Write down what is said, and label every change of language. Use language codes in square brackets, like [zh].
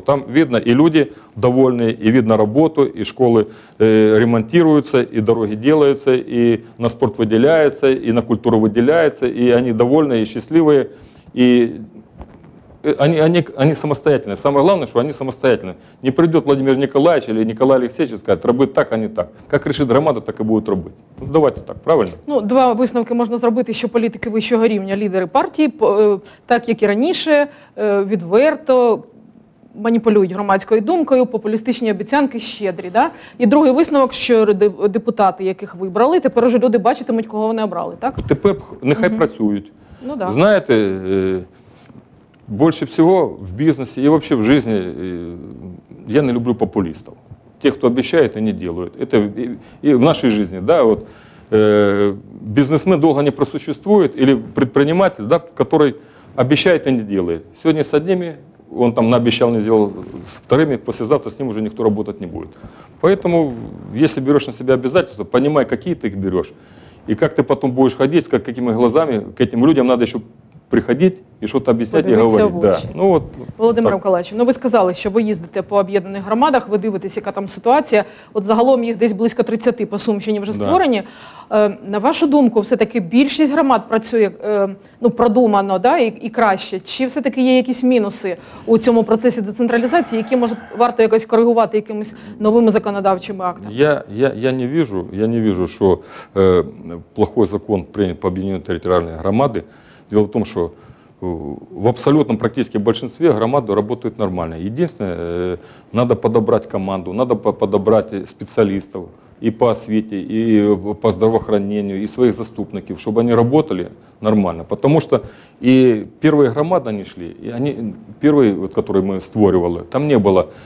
[ru] Там видно и люди довольны, и видно работу, и школы ремонтируются, и дороги делаются, и на спорт выделяется, и на культуру выделяется, и они довольны, и счастливые, и они самостоятельные. Самое главное, что они самостоятельные. Не придет Владимир Николаевич или Николай Алексеевич и скажет, робить так, а не так. Как решит громада, так и будет робить. Ну, давайте так, правильно? [uk] Ну, два висновки можна зробити, що політики вищого рівня, лідери партії, так, як і раніше, відверто маніпулюють громадською думкою, популістичні обіцянки щедрі. Да? І другий висновок, що депутати, яких вибрали, тепер уже люди бачитимуть, кого вони обрали, так? Тепер нехай працюють. Ну, да. [ru] Знаєте, больше всего в бизнесе и вообще в жизни я не люблю популистов. Тех, кто обещает и не делают. Это и в нашей жизни, да, вот бизнесмен долго не просуществует, или предприниматель, да, который обещает и не делает. Сегодня с одними, он там наобещал, не сделал, с вторыми, послезавтра с ним уже никто работать не будет. Поэтому, если берешь на себя обязательства, понимай, какие ты их берешь, и как ты потом будешь ходить, как, какими глазами, к этим людям надо еще приходить [uk] і щось об'ясняти, і говорити. [ru] Да. [uk] Ну, от, Володимир Миколаївич, ну ви сказали, що ви їздите по об'єднаних громадах, ви дивитесь, яка там ситуація. От загалом їх десь близько 30 по Сумщині вже створені. Да. На вашу думку, все-таки більшість громад працює ну, продумано да, і краще? Чи все-таки є якісь мінуси у цьому процесі децентралізації, які може, варто якось коригувати якимись новими законодавчими актами? [ru] Я не вижу, що плохой закон прийнят по об'єднаній територіальній громаді. Дело в том, что в абсолютном практически большинстве громады работают нормально. Единственное, надо подобрать команду, надо подобрать специалистов и по освете, и по здравоохранению, и своих заступников, чтобы они работали нормально. Потому что и первые громады они шли, и они, первые, вот, которые мы створивали, там не было.